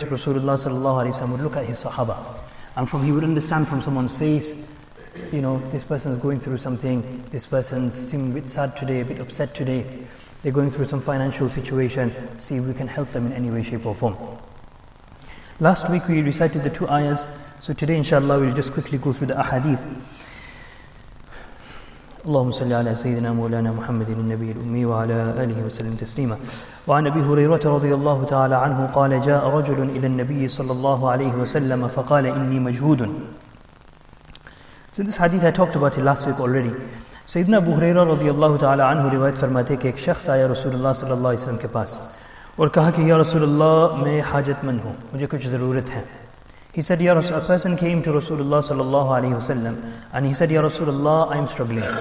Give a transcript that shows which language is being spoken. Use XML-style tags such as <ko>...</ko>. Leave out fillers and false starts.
<en>Rasulullah sallallahu alaihi wasallam would look at his sahaba, and from he would understand from someone's face, you know, this person is going through something, this person seems a bit sad today, a bit upset today, they're going through some financial situation, see if we can help them in any way, shape or form. Last week we recited the two ayahs, so today inshallah we'll just quickly go through the ahadith.</en> <ar>اللهم صل على سيدنا مولانا محمد النبي الأمي وعلى آله وسلم تسليما. وعن أبي هريرة رضي الله تعالى عنه قال جاء رجل إلى النبي صلى الله عليه وسلم فقال إني مجهود.</ar> <en>So this hadith I talked about it last week already.</en> <ur>سيدنا أبو هريرة رضي الله تعالى عنه روايت فرماتے کہ ایک شخص آیا رسول الله صلى الله عليه وسلم کے پاس اور کہا کہ يا رسول الله میں حاجت مند ہوں مجھے کچھ ضرورت ہے.</ur> <en>He said, Ya Rasul, a person came to Rasulullah sallallahu alayhi wasallam, and he said, Ya Rasulullah, I am struggling.</en>